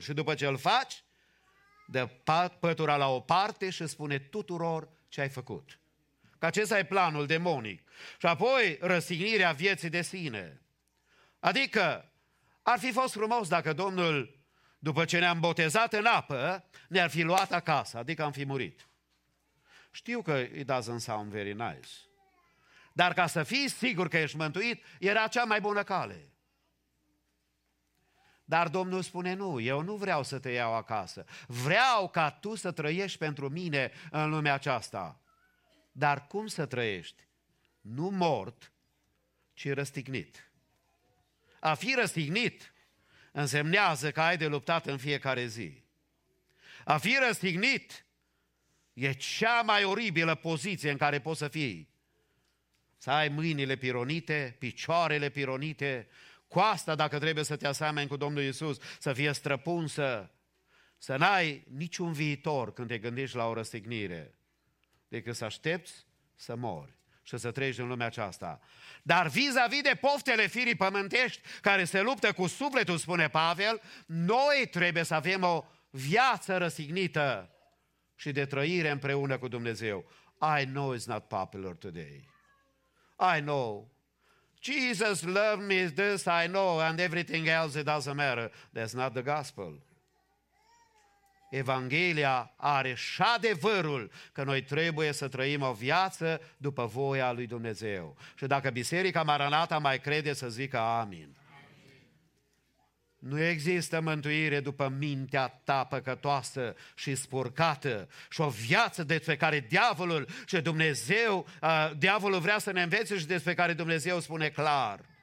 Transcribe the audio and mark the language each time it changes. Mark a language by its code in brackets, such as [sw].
[ro] Și după ce îl faci, dă pătura la o parte și spune tuturor ce ai făcut. Că acesta e planul demonic. Și apoi răstignirea vieții de sine. Adică ar fi fost frumos dacă Domnul, după ce ne-am botezat în apă, ne-ar fi luat acasă, adică am fi murit. Știu că [en] it doesn't sound very nice. [ro] Dar ca să fii sigur că ești mântuit, era cea mai bună cale. Dar Domnul spune, nu, eu nu vreau să te iau acasă. Vreau ca tu să trăiești pentru mine în lumea aceasta. Dar cum să trăiești? Nu mort, ci răstignit. A fi răstignit însemnează că ai de luptat în fiecare zi. A fi răstignit e cea mai oribilă poziție în care poți să fii. Să ai mâinile pironite, picioarele pironite, coasta, dacă trebuie să te asemeni cu Domnul Iisus, să fie străpunsă, să n-ai niciun viitor când te gândești la o răstignire, decât să aștepți să mori și să treci în lumea aceasta. Dar vis-a-vis de poftele firii pământești care se luptă cu sufletul, spune Pavel, noi trebuie să avem o viață răstignită și de trăire împreună cu Dumnezeu. [en] I know it's not popular today. I know. Jesus loved me, this I know, and everything else, it doesn't matter. That's not the gospel. [ro] Evanghelia are și adevărul că noi trebuie să trăim o viață după voia lui Dumnezeu. Și dacă Biserica Maranata mai crede, să zică amin. Nu există mântuire după mintea ta păcătoasă și spurcată și o viață despre care diavolul și Dumnezeu, diavolul vrea să ne învețe și despre care Dumnezeu spune clar.